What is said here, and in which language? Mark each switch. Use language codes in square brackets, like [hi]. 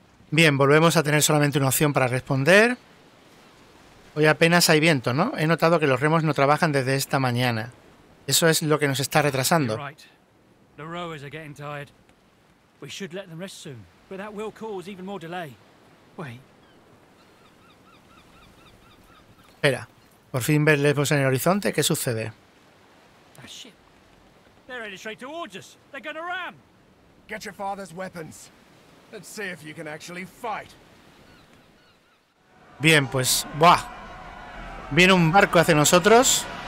[es] Bien, volvemos a tener solamente una opción para responder. Hoy apenas hay viento, ¿no? He notado que los remos no trabajan desde esta mañana. Eso es lo que nos está [en] You're right. The rowers are getting tired. We should let them rest soon, but that will cause even more delay. Wait. [es] Espera. Por fin ver lejos en el horizonte, ¿qué sucede? [en] That ship. They're heading straight towards us. They're gonna ram. Get your father's weapons. Let's see if you can actually fight. [es] Bien, pues, ¡buah! Viene un barco hacia nosotros.